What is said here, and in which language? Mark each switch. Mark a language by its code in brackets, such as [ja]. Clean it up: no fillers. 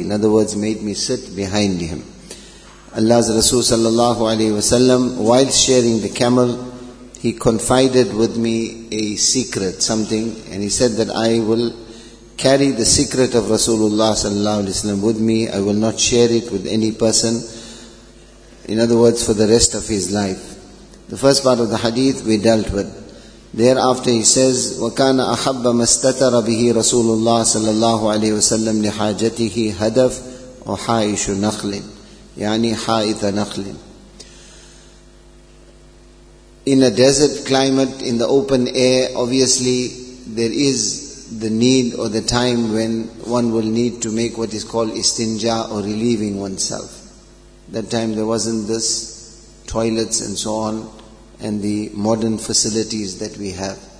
[en] In other words, made me sit behind him. Allah's Rasul sallallahu alayhi wasallam, while sharing the camel, he confided with me a secret, something, and he said that I will carry the secret of Rasulullah sallallahu alayhi wasallam with me. I will not share it with any person. In other words, for the rest of his life. The first part of the hadith we dealt with. [ar] Thereafter he says, وَكَانَ أَحَبَّ مَسْتَتَرَ بِهِ رَسُولُ اللَّهِ صَلَى اللَّهُ عَلَيْهِ وَسَلَّمْ لِحَاجَتِهِ هَدَفْ وَحَائِشُ نَخْلٍ، يعني حَائِثَ نَخْلٍ. [en] In a desert climate, in the open air, obviously there is the need or the time when one will need to make what is called istinja, or relieving oneself. That time there wasn't this toilets and so on, and the modern facilities that we have.